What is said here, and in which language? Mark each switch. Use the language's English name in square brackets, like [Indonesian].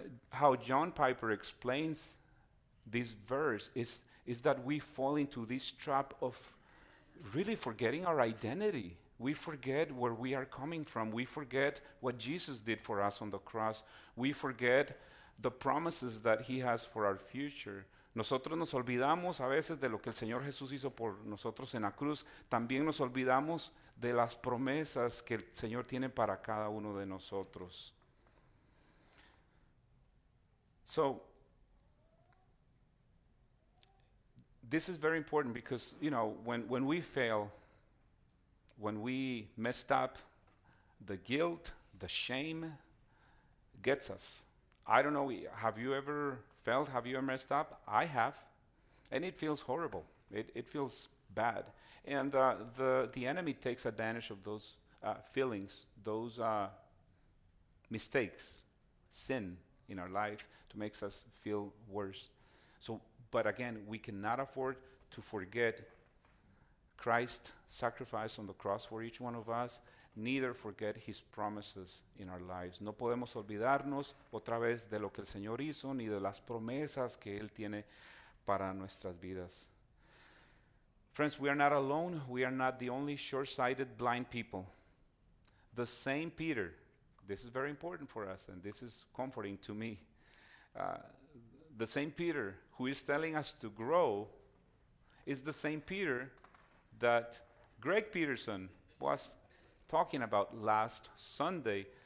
[English] How John Piper explains this verse is that we fall into this trap of really forgetting our identity. We forget where we are coming from. We forget what Jesus did for us on the cross. We forget the promises that he has for our future. [Spanish] Nosotros nos olvidamos a veces de lo que el Señor Jesús hizo por nosotros en la cruz. También nos olvidamos de las promesas que el Señor tiene para cada uno de nosotros. [English] So, this is very important because, you know, when we fail, when we messed up, the guilt, the shame gets us. I don't know, have you ever felt, have you ever messed up? I have. And it feels horrible. It feels bad. And the enemy takes advantage of those feelings, those mistakes, sin in our life to make us feel worse. So, but again, we cannot afford to forget Christ's sacrifice on the cross for each one of us, neither forget his promises in our lives. [Spanish] No podemos olvidarnos otra vez de lo que el Señor hizo ni de las promesas que él tiene para nuestras vidas. [English] Friends, we are not alone. We are not the only short-sighted blind people. The same Peter, this is very important for us, and this is comforting to me. The same Peter who is telling us to grow is the same Peter that Greg Peterson was talking about last Sunday.